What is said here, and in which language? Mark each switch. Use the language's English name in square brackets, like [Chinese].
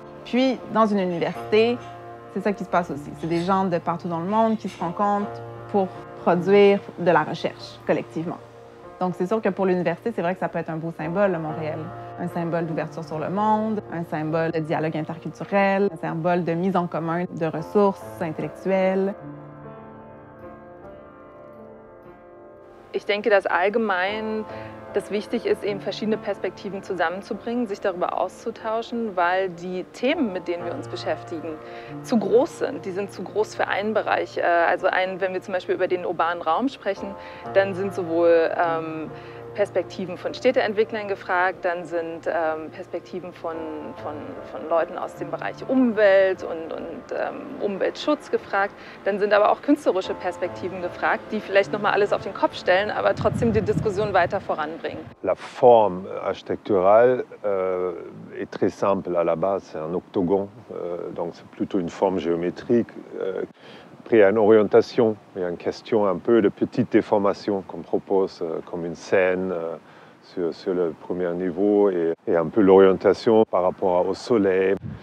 [French] Puis, dans une université, c'est ça qui se passe aussi. C'est des gens de partout dans le monde qui se rencontrent pour produire de la recherche collectivement. Donc, c'est sûr que pour l'université, c'est vrai que ça peut être un beau symbole, le Montréal. Un symbole d'ouverture sur le monde, un symbole de dialogue interculturel, un symbole de mise en commun de ressources intellectuelles. [German] Ich denke, dass allgemein das wichtig ist, eben verschiedene Perspektiven zusammenzubringen, sich darüber auszutauschen, weil die Themen, mit denen wir uns beschäftigen, zu groß sind. Die sind zu groß für einen Bereich. Also wenn wir zum Beispiel über den urbanen Raum sprechen, dann sind sowohl Perspektiven von Städteentwicklern gefragt, dann sind Perspektiven von Leuten aus dem Bereich Umwelt und Umweltschutz gefragt, dann sind aber auch künstlerische Perspektiven gefragt, die vielleicht nochmal alles auf den Kopf stellen, aber trotzdem die Diskussion weiter voranbringen. [French] La forme architecturale est très simple à la base, c'est un octogon, donc c'est plutôt une forme géométrique. Après, il y a une orientation, il y a une question un peu de petite déformation qu'on propose comme une scène sur le premier niveau et un peu l'orientation par rapport au soleil.